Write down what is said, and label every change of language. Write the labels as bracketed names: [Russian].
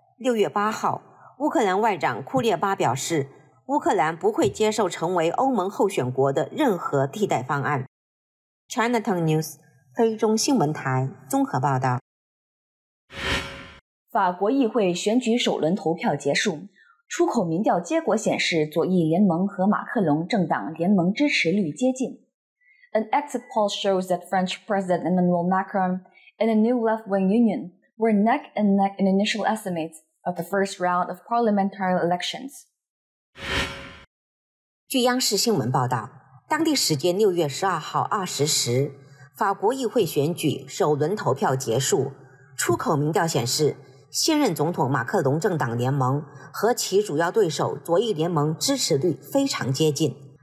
[Chinese] 6月8号，乌克兰外长库列巴表示，乌克兰不会接受成为欧盟候选国的任何替代方案。 Cntv News 菲中新闻台综合报道。法国议会选举首轮投票结束，出口民调结果显示左翼联盟和马克龙政党联盟支持率接近。 [English] An exit poll shows that French President Emmanuel Macron and a new left-wing union were neck and neck in initial estimates of the first round of parliamentary elections. [Chinese] 据央视新闻报道，当地时间6月12号20时，法国议会选举首轮投票结束，出口民调显示，现任总统马克龙政党联盟和其主要对手左翼联盟支持率非常接近。